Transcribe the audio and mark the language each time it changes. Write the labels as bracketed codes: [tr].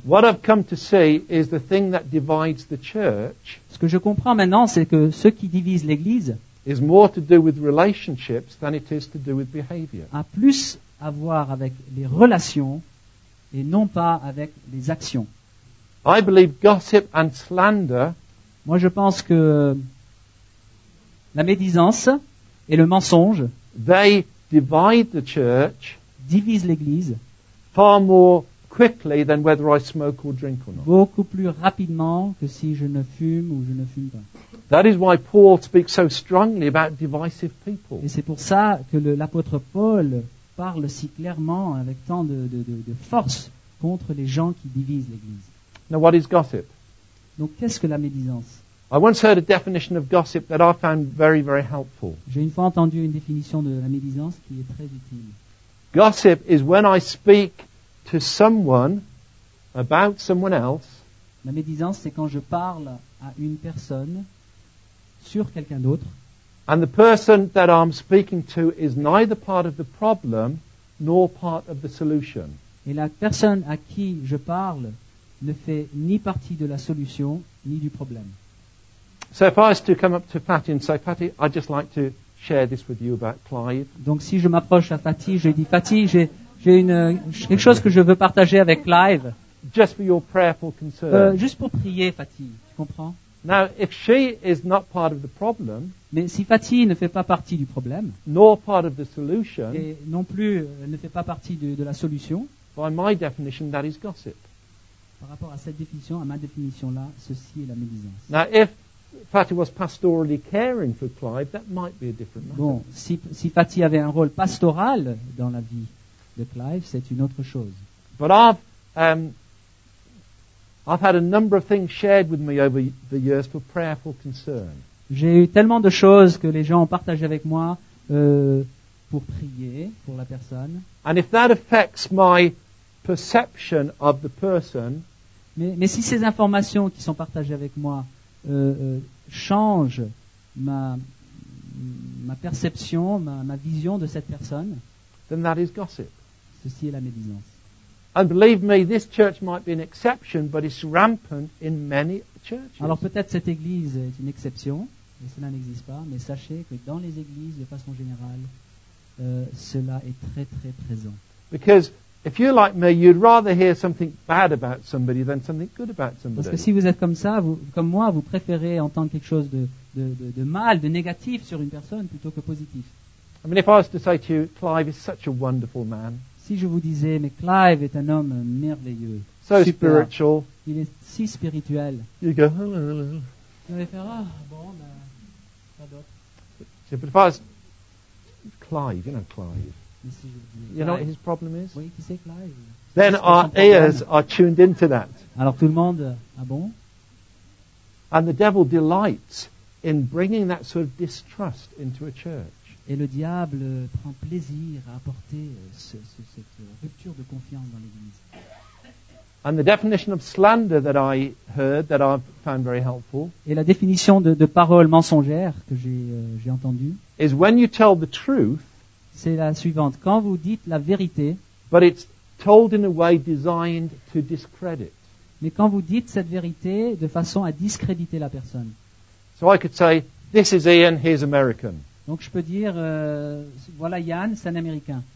[en] What I've come to see is the thing that divides the church. [fr] Ce que je comprends maintenant, c'est que ce qui divise l'Église [en] is more to do with relationships than it is to do with behavior. [fr] A plus à voir avec les relations et non pas avec les actions. [en] I believe gossip and slander. [fr] Moi, je pense que la médisance et le mensonge, [en] they divide the church, [fr] divise l'église, [en] far more quickly than whether I smoke or drink or not. [fr] Beaucoup plus rapidement que si je ne fume ou je ne fume pas. [en] That is why Paul speaks so strongly about divisive people. [fr] Et c'est pour ça que l'apôtre Paul parle si clairement avec tant de force contre les gens qui divisent l'église. [en] Now what is gossip? [fr] Donc qu'est-ce que la médisance? [en] I once heard a definition of gossip that I found very, very helpful. [fr] J'ai une fois entendu une définition de la médisance qui est très utile. [en] Gossip is when I speak to someone about someone else. [fr] La médisance, c'est quand je parle à une personne sur quelqu'un d'autre. [en] And the person that I'm speaking to is neither part of the problem nor part of the solution. [fr] Et la personne à qui je parle ne fait ni partie de la solution ni du problème. [en] So if I was to come up to Fatty and say, Fatty, I'd just like to share this with you about Clive. [fr] Donc si je m'approche à Fatty, je dis Fatty, j'ai quelque chose que je veux partager avec Clive. [en] Just for your prayerful concern. [fr] Juste pour prier, Fatty, tu comprends? [en] Now, if she is not part of the problem, [fr] mais si Fatty ne fait pas partie du problème, [en] nor part of the solution, [fr] et non plus ne fait pas partie de la solution, [en] by my definition, that is gossip. [fr] Par rapport à cette définition, à ma définition-là, ceci est la médisance. [en] Now, if Fatty was pastorally caring for Clive, that might be a different matter. [fr] Bon, si Fatty avait un rôle pastoral dans la vie de Clive, c'est une autre chose. [en] But I've had a number of things shared with me over the years for prayerful concern. [fr] J'ai eu tellement de choses que les gens ont partagé avec moi pour prier pour la personne. [en] And if that affects my perception of the person, [fr] mais si ces informations qui sont partagées avec moi change ma perception, ma vision de cette personne. [en] Then that is gossip. [fr] Ceci est la médisance. [en] And believe me, this church might be an exception, but it's rampant in many churches. [fr] Alors peut-être cette église est une exception, mais cela n'existe pas. Mais sachez que dans les églises, de façon générale, cela est très très présent. [en] Because if you're like me, you'd rather hear something bad about somebody than something good about somebody. [fr] Parce que si vous êtes comme ça, comme moi, vous préférez entendre quelque chose de mal, de négatif sur une personne plutôt que positif. [en] I mean, if I was to say to you, Clive is such a wonderful man. [fr] Si je vous disais, mais Clive est un homme merveilleux. [en] So super, spiritual. [fr] Il est si spirituel. [en] You go. [fr] Vous allez faire ah bon, ben, pas d'autre. [en] See, but if I was Clive, you know Clive. You know what his problem is? [fr] Oui, qui c'est Clive? [en] Then our ears are tuned into that. [fr] Alors tout le monde, ah bon? [en] And the devil delights in bringing that sort of distrust into a church. [fr] Et le diable prend plaisir à apporter cette rupture de confiance dans l'église. [en] And the definition of slander that I heard that I found very helpful. [fr] Et la définition de paroles mensongères que j'ai entendue. [en] Is when you tell the truth. [fr] C'est la suivante. Quand vous dites la vérité, [en] but it's told in a way designed to discredit. [fr] Mais quand vous dites cette vérité de façon à discréditer la personne. [en] So I could say, this is Ian, he's American. [fr] Donc je peux dire, voilà Ian, c'est un Américain.